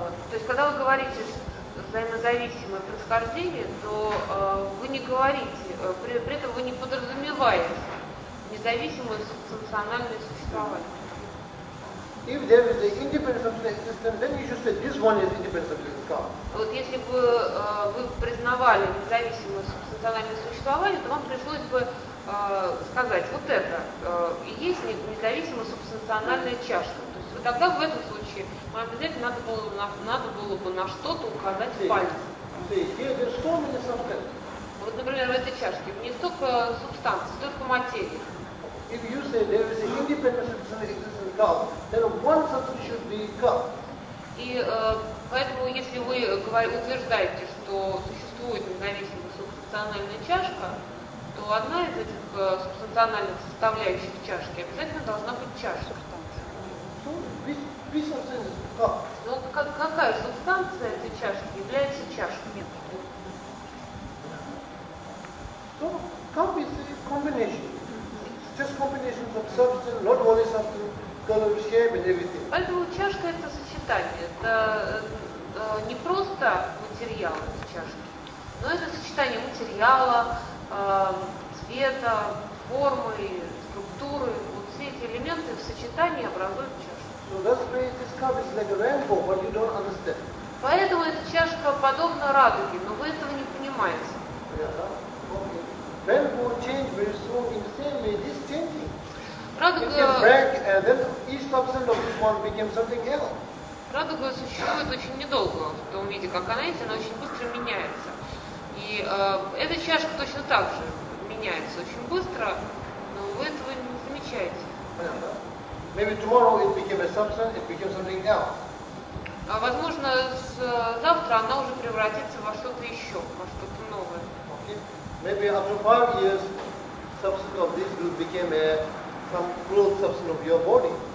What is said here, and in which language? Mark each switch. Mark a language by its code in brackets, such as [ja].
[ru] То есть, когда вы говорите взаимозависимое происхождение, то вы не говорите, при этом вы не подразумеваете независимое субстанциональное существование. [en] If there is an independent substance existence, then you should say this one is independent substance car. [ru] Вот если бы вы признавали независимое субстанциональное существование, то вам пришлось бы сказать, вот это есть независимая субстанциональная чашка. То есть вот тогда в этом случае вам обязательно надо было бы на что-то указать пальцем. Вот, например, в этой чашке не столько субстанции, столько материи. [en] If you say there is an independent substance existence cup, then one substance should be cup. [ru] И поэтому, если вы утверждаете, что существует независимая субстанциональная чашка, то одна из этих субстанциональных составляющих чашки обязательно должна быть чашка. [en] So, which substance is cup? [ru] Но какая субстанция этой чашки является чашкой? Нет. [en] So, cup is a combination. Just combinations of substance, not only substance, color, shape, and everything. [ru] Поэтому чашка это сочетание. Это не просто материал этой чашки, но это сочетание материала, цвета, формы, структуры. Вот все эти элементы в сочетании образуют чашку. [en] So that's why this cup is like a rainbow, but you don't understand. [ru] Поэтому эта чашка подобна радуге, но вы этого не понимаете. [en] Yeah, okay. Then will change very soon in the same way this changing. [ru] Радуга... [en] It can break and then each substance of this one became something else. [ru] Радуга существует очень недолго в том виде, как она есть, она очень быстро меняется. И эта чашка точно так же меняется очень быстро, но вы этого не замечаете. Понятно. [en] Maybe tomorrow it became a substance, it became something else. [ru] А возможно, завтра она уже превратится во что-то еще, во что-то новое. [en] Okay. Maybe after 5 years, substance of this will become a some growth substance of your body.